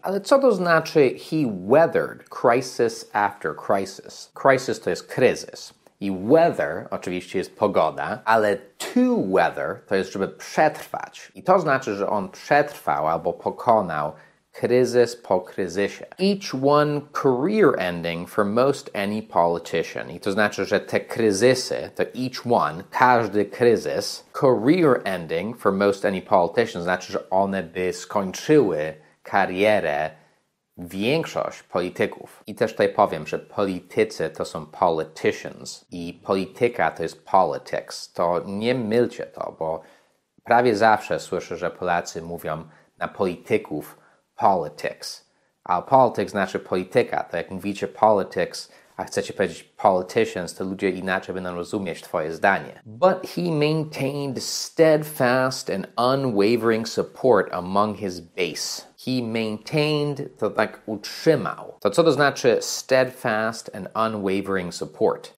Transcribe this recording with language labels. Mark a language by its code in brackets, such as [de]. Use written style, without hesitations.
[pl] Ale co to znaczy, [en] he weathered crisis after crisis? [pl] Crisis to jest kryzys. I weather oczywiście jest pogoda, ale to weather to jest, żeby przetrwać. I to znaczy, że on przetrwał albo pokonał kryzys po kryzysie. [en] Each one career ending for most any politician. [pl] I to znaczy, że te kryzysy, to each one, każdy kryzys, [en] career ending for most any politician, [pl] znaczy, że one by skończyły karierę większość polityków, i też tutaj powiem, że politycy to są politicians i polityka to jest politics, to nie mylcie to, bo prawie zawsze słyszę, że Polacy mówią na polityków politics. A politics znaczy polityka, to jak mówicie politics, a chcecie powiedzieć politicians, to ludzie inaczej będą rozumieć twoje zdanie. [en] But he maintained steadfast and unwavering support among his base. [pl] He maintained, to tak utrzymał. To co to znaczy [en] steadfast and unwavering support?